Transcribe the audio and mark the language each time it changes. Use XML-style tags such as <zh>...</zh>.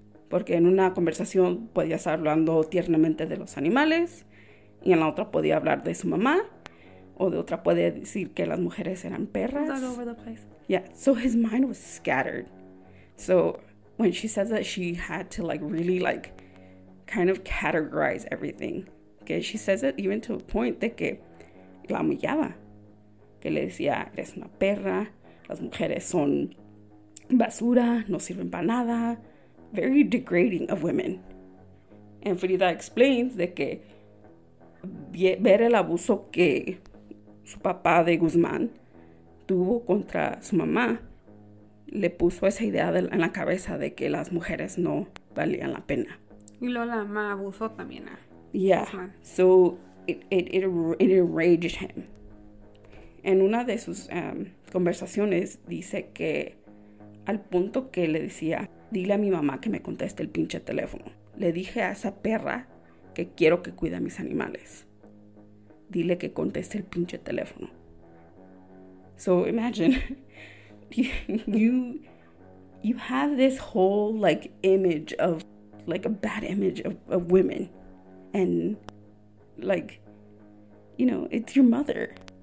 <es>Porque en una conversación podía estar hablando tiernamente de los animales. Y en la otra podía hablar de su mamá. O de otra podía decir que las mujeres eran perras.</es> <en>All over the place. Yeah, so his mind was scattered. So when she says that she had to, like, really, like, kind of categorize everything. Okay, she says it even to a point</en> <es>de que la humillaba. Que le decía, eres una perra, las mujeres son basura, no sirven para nada.</es> <en>Very degrading of women. And Frida explains</en> <es>de que ver el abuso que su papá de Guzmán tuvo contra su mamá le puso esa idea en la cabeza de que las mujeres no valían la pena. Y Lola ma abusó también a</es> <en>yeah. So it enraged him.</en> <es>En una de sus conversaciones dice que al punto que le decía, dile a mi mamá que me conteste el pinche teléfono. Le dije a esa perra que quiero que cuide a mis animales. Dile que conteste el pinche teléfono.</es> <en>So imagine you have this whole, like, image of, like, a bad image of women, and, like, you know, it's your mother.</en>